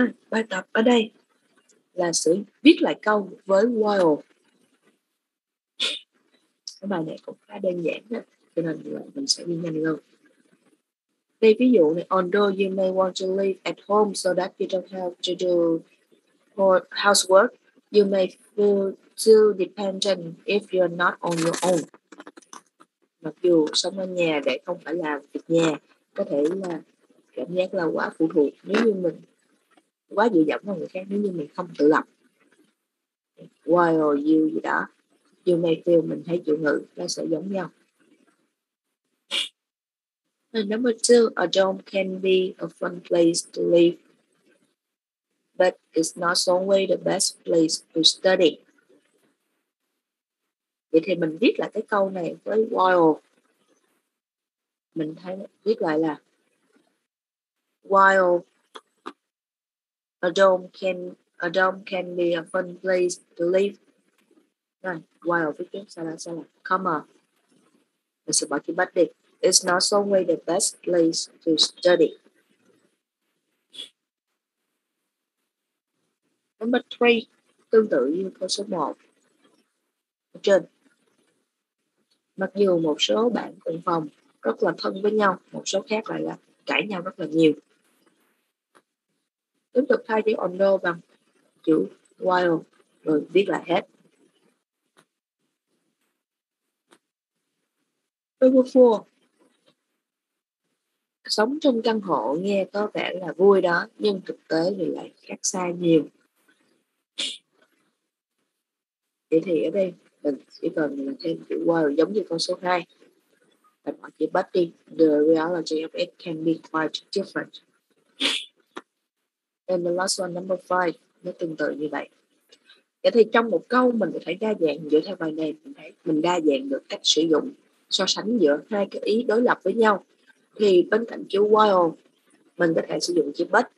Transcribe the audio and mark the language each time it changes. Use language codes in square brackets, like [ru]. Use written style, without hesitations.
[vi] Bài tập ở đây là sự viết lại câu với while. Cái bài này cũng khá đơn giản đó, cho nên mình sẽ đi nhanh hơn. Đây ví dụ này, [en] although you may want to live at home so that you don't have to do housework, you may feel too dependent if you're not on your own. [vi] Mặc dù sống ở nhà để không phải làm việc nhà, có thể là cảm giác là quá phụ thuộc nếu như mình quá dựa dẫm vào người khác nếu như mình không tự lập. [en] While you [vi] gì đó, [en] you may feel, [vi] mình thấy chủ ngữ nó sẽ giống nhau. [en] And number two, a dorm can be a fun place to live, but it's not always the best place to study. [vi] Vậy thì mình viết lại cái câu này với while. Mình thấy viết lại là [en] while a dorm can be a fun place to live. [vi] Rồi, while viết tiếp sao là comma. Mình sẽ bỏ chữ bắt đi. [en] It's not always the best place to study. Number three, [vi] tương tự như câu số 1 ở trên. Mặc dù một số bạn cùng phòng rất là thân với nhau, một số khác lại là cãi nhau rất là nhiều. Tiếp tục thay chữ although bằng chữ while, rồi viết lại hết. [en] Number four, [vi] sống trong căn hộ nghe có vẻ là vui đó, nhưng thực tế thì lại khác xa nhiều. Vậy thì ở đây mình chỉ cần thêm chữ while giống như con số 2. Mình bỏ chữ bắt đi. [en] The reality of it can be quite different. And the last one, number 5, [vi] nó tương tự như vậy. Vậy thì trong một câu mình có thể đa dạng dựa theo bài này, mình thấy mình đa dạng được cách sử dụng so sánh giữa hai cái ý đối lập với nhau. Thì bên cạnh chữ while, mình có thể sử dụng chữ but.